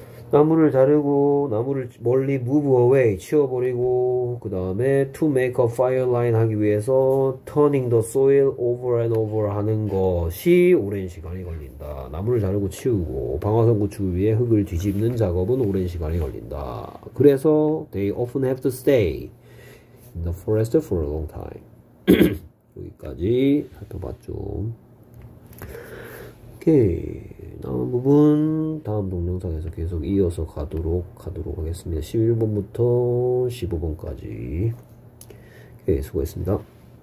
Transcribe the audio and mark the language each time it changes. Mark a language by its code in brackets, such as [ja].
[ko] 나무를 자르고, 나무를 멀리 [en] move away, [ko] 치워버리고, 그 다음에 [en] to make a fire line [ko] 하기 위해서 [en] turning the soil over and over [ko] 하는 것이 오랜 시간이 걸린다. 나무를 자르고 치우고, 방화선 구축을 위해 흙을 뒤집는 작업은 오랜 시간이 걸린다. [en] 그래서 they often have to stay in the forest for a long time. [ko] 여기까지 살펴봤죠. 오케이. 다음 부분, 다음 동영상에서 계속 이어서 가도록 하겠습니다. 11번부터 15번까지. 오케이, 수고했습니다.